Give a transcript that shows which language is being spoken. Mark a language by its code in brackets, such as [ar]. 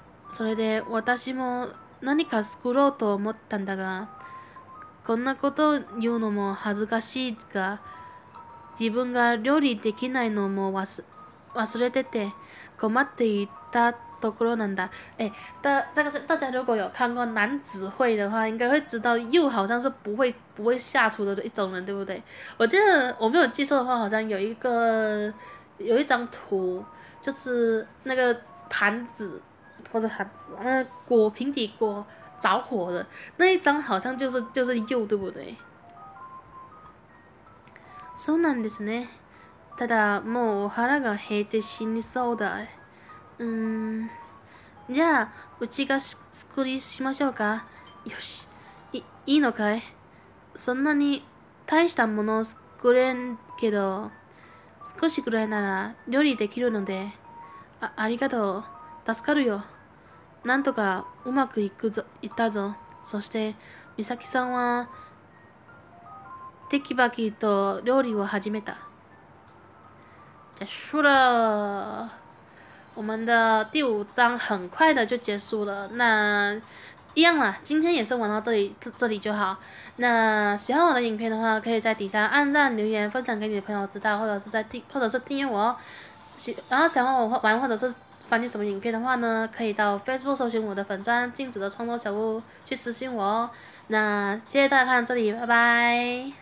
[ja] それで私も何か作ろうと思ったんだが、こんなこと言うのも恥ずかしいが、自分が料理できないのも忘れてて困っていたところなんだ。 [zh] 大家如果有看过男子会的话，应该会知道又好像是不会下厨的一种人，对不对？我记得我没有记错的话，好像有一张图，就是那个盘子，那个锅平底锅着火的那一张，好像就是又，对不对？ [ja] そうなんですね。ただもうお腹が減って死にそうだ。じゃあ、うちが作りしましょうか。よし。いいのかい？そんなに大したものを作れんけど、少しくらいなら料理できるので。ありがとう。助かるよ。なんとかうまくいったぞ。そして、美咲さんは、テキバキと料理を始めた。 [zh] 结束了，我们的第五章很快的就结束了。那一样啦，今天也是玩到这里就好。那喜欢我的影片的话，可以在底下按赞、留言、分享给你的朋友知道，或者是在订，或者是订阅我哦。然后想要我玩或者是翻译什么影片的话呢，可以到 Facebook 搜寻我的粉专“禁止的创作小屋”去私信我哦。那谢谢大家看到这里，拜拜。